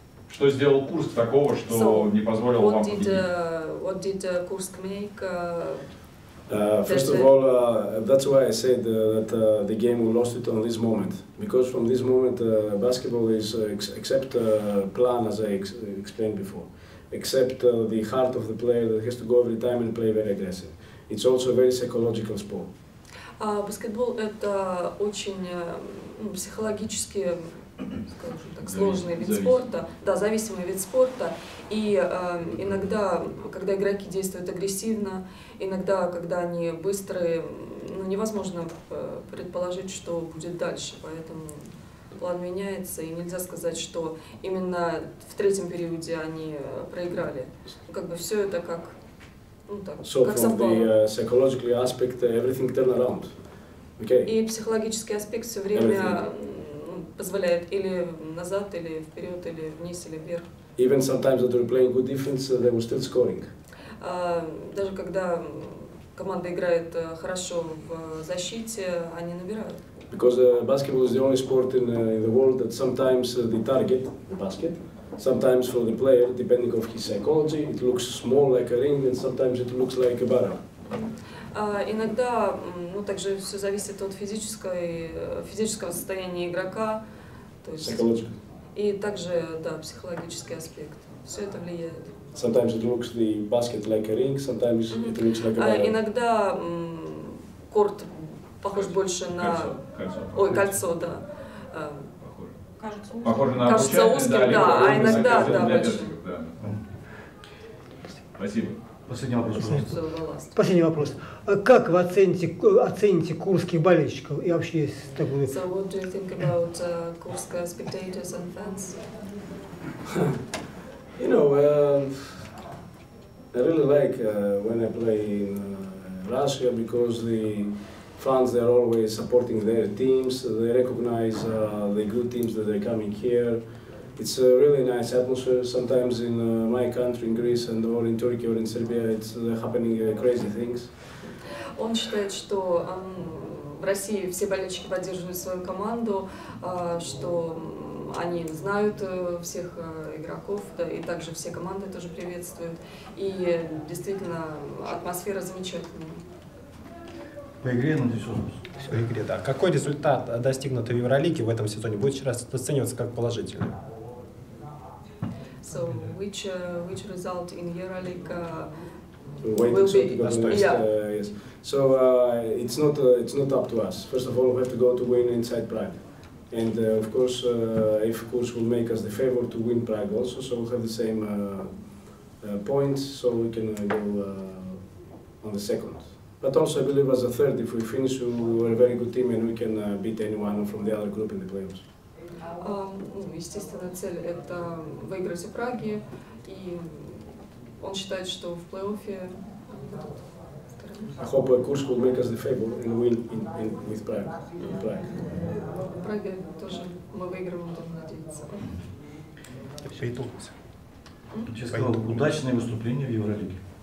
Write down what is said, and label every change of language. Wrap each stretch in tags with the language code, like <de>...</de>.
<ru>Что сделал Курск такого, что не позволил вам победить?</ru> <en>What did Курск make? First of all, that's why I said that the game we lost it on this moment. Because from this moment, basketball is except plan, as I explained before, except the heart of the player that has to go every time and play very aggressive. It's also a very psychological sport.</en> <ru>Баскетбол это очень психологически скажем так, сложный вид спорта, да, зависимый вид спорта. И иногда, когда игроки действуют агрессивно, иногда, когда они быстрые, ну, невозможно предположить, что будет дальше. Поэтому план меняется, и нельзя сказать, что именно в третьем периоде они проиграли. Ну, как бы все это как, ну, так, so как совпало.</ru> <en>From the psychological aspect, everything turned around. Okay.</en> <ru>И психологический аспект все время...</ru> <en>Everything.</en> <ru>Позволяет или назад, или вперед, или вниз, или вверх.</ru> <en>Even sometimes that we're playing good defense, they were still scoring.</en> <ru>Даже когда команда играет хорошо в защите, они набирают.</ru> <en>Because basketball is the only sport in the world that sometimes the target, the basket, sometimes for the player, depending on his psychology, it looks small like a ring, and sometimes it looks like a barrel.</en> <ru>Иногда, ну, также все зависит от физического состояния игрока, то есть, и также, да, психологический аспект. Все это влияет.</ru> <en>Sometimes it looks the basket like a ring, sometimes it looks like a ball.</en> <ru>Иногда корт похож больше на... Кольцо. Ой, кольцо, да. Похоже на кажется обучение, узким, да, а иногда, кольцо, да, большим. Спасибо. Последний вопрос. Последний вопрос. Как вы оцените курских болельщиков и вообще есть такой?</ru> <en>So what do you think about Kursk spectators and fans? You know, I really like when I play in Russia because the fans they're always supporting their teams. They recognize the good teams that are coming here. It's a really nice atmosphere. Sometimes in my country, in Greece, and or in Turkey or in Serbia, it's happening crazy things.</en> <ru>Он считает, что в России все болельщики поддерживают свою команду, что они знают всех игроков, да, и также все команды тоже приветствуют. И действительно, атмосфера замечательная. По игре, надеюсь, по игре, да. Какой результат, достигнутый в Евролиге в этом сезоне, будет сейчас оцениваться как положительный?</ru> <en>So, which result in Euroleague it's not up to us. First of all, we have to go to win inside Prague, and of course, if Kurs will make us the favor to win Prague also, so we have the same points, so we can go on the second. But also, I believe as a third, if we finish, we are a very good team, and we can beat anyone from the other group in the playoffs.</en> <ru>Естественно, цель — это выиграть у Праги, и он считает, что в плей-оффе.</ru> <en>I hope Kursk will make us the favor and win in with Prague. In Prague.</en> <ru>В Праге тоже мы выигрываем, будем надеяться. По итогу. Сейчас сказал, удачное выступление в Евролиге.</ru>